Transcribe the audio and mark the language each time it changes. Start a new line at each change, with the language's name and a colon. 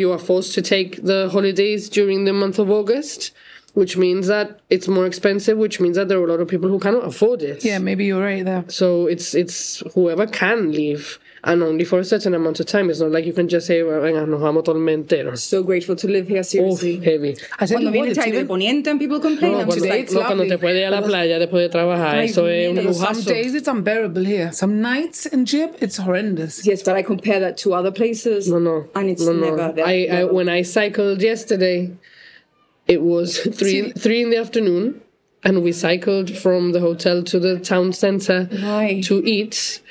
English: You are forced to take the holidays during the month of August, which means that it's more expensive, which means that there are a lot of people who cannot afford it. Yeah, maybe you're right there. So it's whoever can leave. And only for a certain amount of time. It's not like you can just say,
Spanish: venga, nos vamos todo el mes entero.
English: So grateful to live here, seriously. Oh, heavy.
Spanish: Cuando viene Taide Poniente
English: and people complain, I'm just like, lovely.
Spanish: Cuando te puede ir a la playa después de trabajar, eso es un lujazo.
English: Some days it's unbearable here. Some nights in Jib, it's horrendous. Yes, but I compare that to other places. No. And it's never there. When I cycled yesterday, it was three in the afternoon, and we cycled from the hotel to the town center to eat.